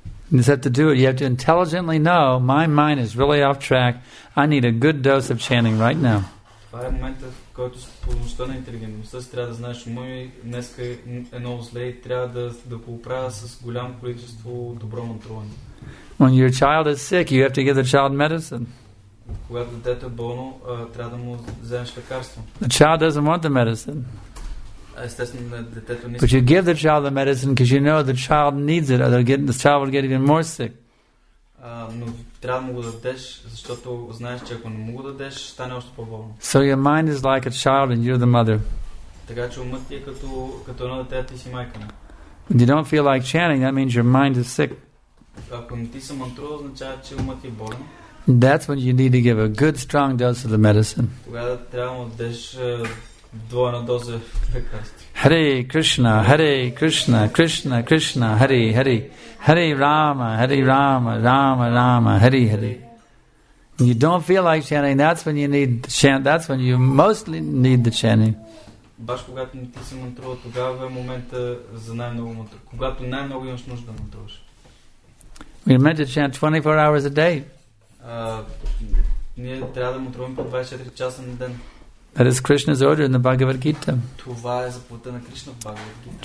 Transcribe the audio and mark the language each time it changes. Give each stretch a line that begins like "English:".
English: You have to do it. You have to intelligently know, my mind is really off track. I need a good dose of chanting right now.
Bulgarian: Това е моментът, в който с помощта на интелигентността си трябва да знаеш, ума ми днес е много зле и трябва да го оправя с голямо количество добро мантруване.
English: When your child is sick, you have to give the child medicine.
Bulgarian: Когато детето е болно, трябва да му вземеш лекарство.
English: The child doesn't want the medicine.
Bulgarian: Естествено, детето не иска.
English: But you give the child the medicine because you know the child needs it, or the child will get even more sick.
Bulgarian: Но трябва да му го дадеш, защото знаеш, че ако не му го дадеш, стане още по-болно.
English: So your mind is like a child and you're the mother.
Bulgarian: Така че умът ти е като едно дете, ти си майка.
English: When you don't feel like chanting, that means your mind is sick.
Bulgarian: Ако не ти се мантрува, означава, че умът ти е болен.
English: That's when you need to give a good strong dose of the medicine.
Bulgarian: Тогава трябва да му дадеш двойна доза лекарство.
Sanskrit: Hare Krishna, Hare Krishna, Krishna Krishna, Hare Hare. Hare Rama, Rama Rama, Hare Hare.
English: When you don't feel like chanting, that's when you need to chant, that's when you mostly need the chanting.
Bulgarian: Баш когато не ти се мантрува, тогава е момента за най-много мантру. Когато най-много имаш нужда мантруваш.
English: We're meant to chant 24 hours a day.
Bulgarian: Ние трябва да мантруваме по 24 часа на ден.
English: That is Krishna's order in the Bhagavad Gita.
Bulgarian: Това е заповедта на Кришна в Бхагавад Гита.